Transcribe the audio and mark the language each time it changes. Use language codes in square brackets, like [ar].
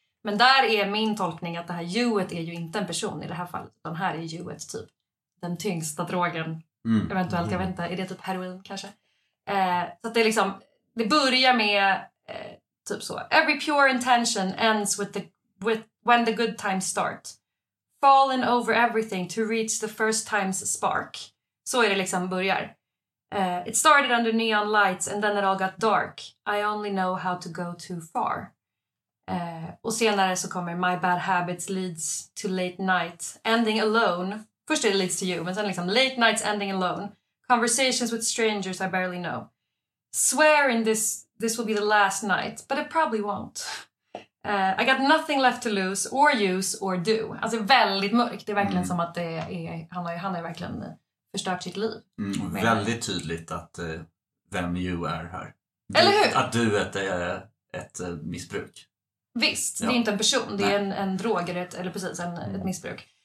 [sv] Men där är min tolkning att det här youet är ju inte en person i det här fallet. Den här är youet typ den tyngsta drogen, eventuellt, jag vet inte, är det typ heroin kanske? Så att det är liksom, det börjar med typ så, [en] every pure intention ends when the good times start. Fallen over everything to reach the first time's spark. [sv] Så är det liksom börjar. [en] It started under neon lights and then it all got dark. I only know how to go too far. [sv] Och senare så kommer [en] my bad habits leads to late night. Ending alone. [sv] Först är det [en] leads to you, [sv] men sen liksom [en] late nights ending alone. Conversations with strangers I barely know. Swear in this will be the last night, but it probably won't. I got nothing left to lose or use or do. [sv] Alltså väldigt mörkt. Det är verkligen som att det är, han har verkligen förstört sitt liv. Väldigt tydligt att vem you är här. Eller hur? Att du är ett missbruk. Visst, ja. Det är inte en person. Det är en drog eller precis ett missbruk.